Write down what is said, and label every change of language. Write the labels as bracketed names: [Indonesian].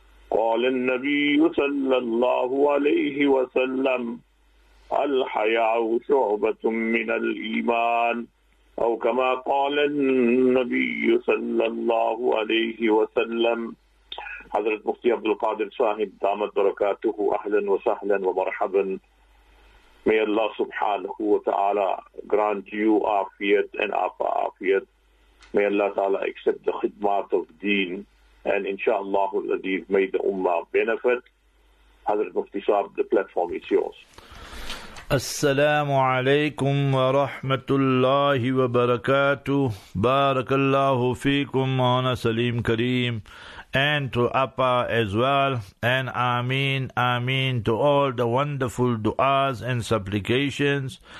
[Arabic] قال النبي صلى الله عليه وسلم: الحياء شعبة من الإيمان، أو كما قال النبي صلى الله عليه وسلم. حضرت مفتي عبد القادر صاحب دامت بركاته، أهلا وسهلا ومرحبا. [English] May Allah سبحانه وتعالى grant you afiyat and afa afiyat. May Allah ta'ala accept the khidmat of deen and inshallah الذين may the ummah benefit. حضرت مفتي صاحب, the platform is yours. [Arabic] السلام عليكم ورحمة الله وبركاته. بارك الله فيكم مولانا سليم كريم. [English] And to Appa as well. And Ameen, Ameen to all the wonderful du'as and supplications.